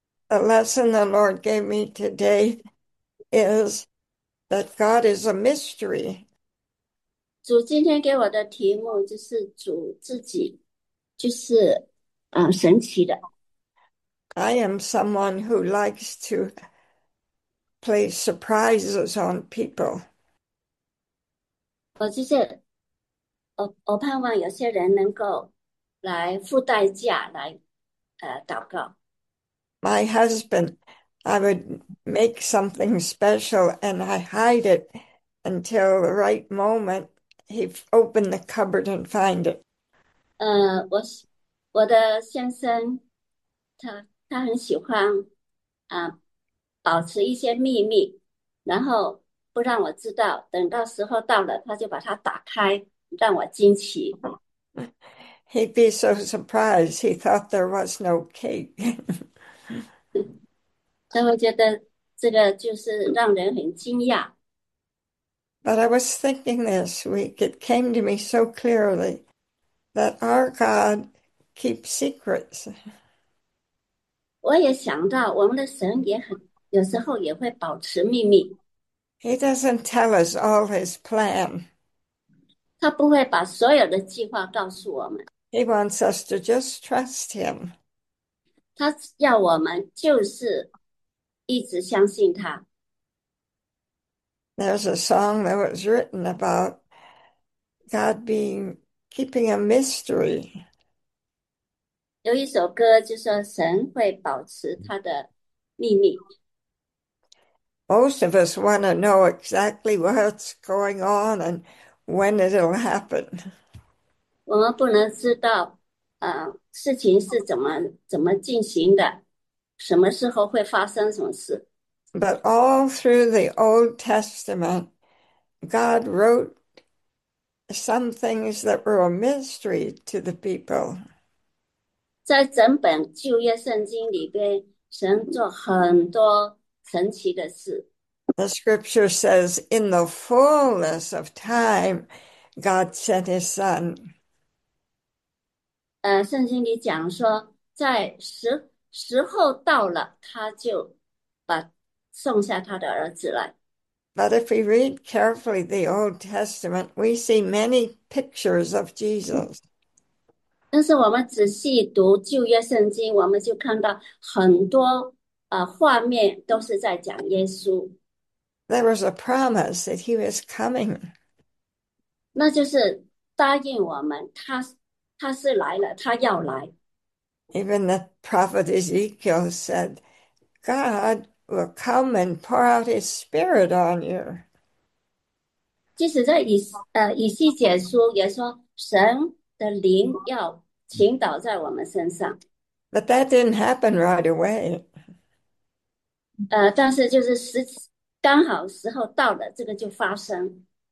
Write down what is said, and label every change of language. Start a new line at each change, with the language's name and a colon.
English: The lesson the Lord gave me today is that God is a mystery.
Chinese: 主今天给我的题目就是主自己，就是神奇的。
English: I am someone who likes to play surprises on people.
Chinese: 我就是，我盼望有些人能够来付代价来，祷告。
English: My husband, I would make something special and I hide it until the right moment he opened the cupboard and find it.
Chinese: 我的先生，他很喜欢保持一些秘密，然后。不让我知道，等到时候到了，他就把它打开，让我惊奇。
English: He'd be so surprised, he thought there was no cake.
Chinese: 他会觉得这个就是让人很惊讶。
English: But I was thinking this week, it came to me so clearly that our God keeps secrets.
Chinese: 我也想到，我们的神也很，有时候也会保持秘密。
English: He doesn't tell us all his plan.
Chinese: 他不会把所有的计划告诉我们，
English: He wants us to just trust him.
Chinese: 他要我们就是一直相信他。
English: There's a song that was written about God being keeping a mystery.
Chinese: 有一首歌就说神会保持他的秘密。
English: Most of us want to know exactly what's going on and when it'll happen.
Chinese: 我们不能知道，事情是怎么进行的，什么时候会发生什么事。
English: But all through the Old Testament, God wrote some things that were a mystery to the people.
Chinese: 在整本旧约圣经里边，神做很多神奇的事。
English: The scripture says, in the fullness of time, God sent his son.
Chinese: 圣经里讲说，在时候到了，他就把送下他的儿子来。
English: But if we read carefully the Old Testament, we see many pictures of Jesus.
Chinese: 但是我们仔细读旧约圣经，我们就看到很多画面都是在讲耶稣，
English: There was a promise that he was coming.
Chinese: 那就是答应我们他是来了，他要来。
English: Even the prophet Ezekiel said, God will come and pour out his spirit on you.
Chinese: 即使在以西结书也说，神的灵要倾倒在我们身上。
English: But that didn't happen right away.
Chinese: 但是就是刚好时候到了，这个就发生。